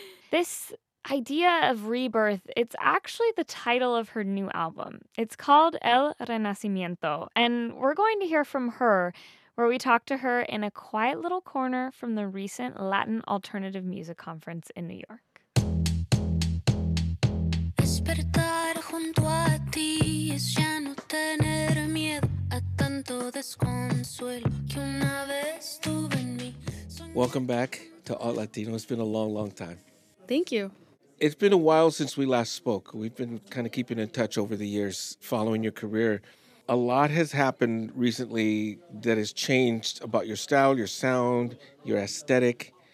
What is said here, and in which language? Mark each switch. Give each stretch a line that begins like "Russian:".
English: This idea of rebirth, it's actually the title of her new album. It's called El Renacimiento, and we're going to hear from her where we talked to her in a quiet little corner from the recent Latin Alternative Music Conference in New York.
Spanish: Despertar junto a ti es ya no tener miedo a tanto desconsuelo que una vez tuve en mí.
English: Welcome back to Alt Latino. It's been a long, long time. Thank you. It's been a while since we last spoke. We've been kind of keeping in touch over the years following your career. A lot has happened recently that has changed about your style, your sound, your aesthetic.